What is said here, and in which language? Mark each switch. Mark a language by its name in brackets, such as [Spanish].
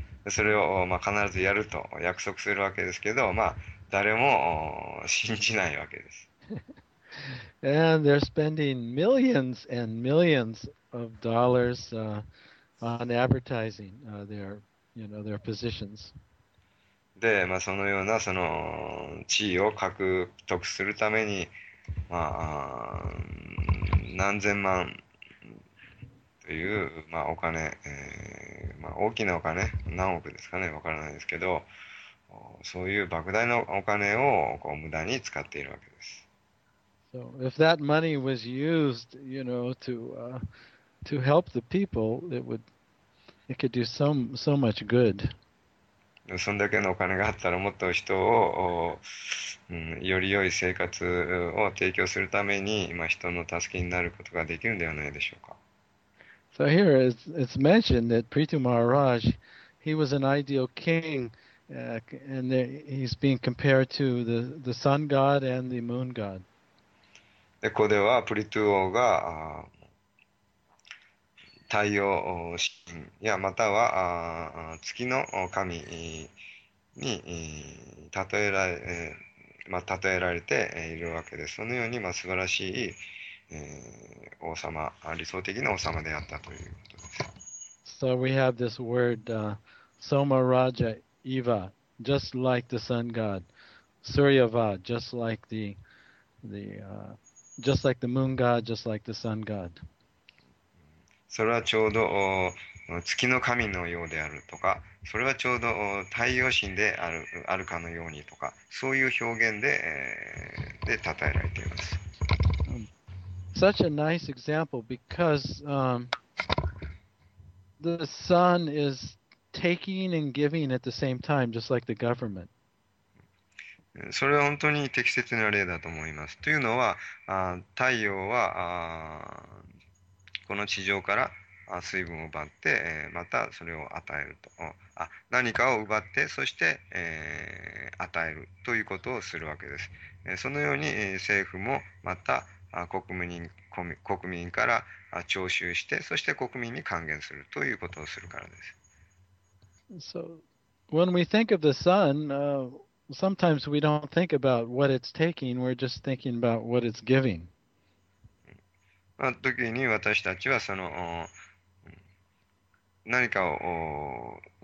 [Japanese] それを、まあ、必ずやると約束するわけですけど、まあ、誰も信じないわけです。 [English] And they're spending millions and millions of dollars on advertising their, you know, their positions. [Japanese] で、まあ、そのようなその地位を獲得するために、まあ、何千万という、まあ、お金、まあ、大きなお金、何億ですかね、わからないですけど、そういう莫大なお金をこう無駄に使っているわけです。 [English] So if that money was used, you know, to help the people, it could do so much good. [Japanese] そんだけのお金があったらもっと人を、より良い生活を提供するために、まあ、人の助けになることができるんではないでしょうか。 [English] So here it's mentioned that Prithu Maharaj, he was an ideal king, and he's being compared to the sun god and the moon god. [Japanese] でここではプリトゥー王が太陽神やまたは月の神に例えられているわけです。そのように、まあ、素晴らしい王様、理想的な王様であったということです。 [English] So we have this word Soma Raja Iva, just like the sun god Suryava, just like just like the moon god, just like the sun god. [Japanese] それはちょうど月の神のようであるとか、それはちょうど太陽神であるかのようにとか、そういう表現で、で称えられています。 [English] Such a nice example because the sun is taking and giving at the same time, just like the government. [Japanese] それは本当に適切な例だと思います。というのは、太陽はこの地上から水分を奪って、またそれを与えると。何かを奪って、そして、与えるということをするわけです。そのように政府もまた国民から徴収して、そして国民に還元するということをするからです。 [English] So, when we think of the sun, sometimes we don't think about what it's taking, we're just thinking about what it's giving. [Japanese] まあ、時に私たちはその何かを、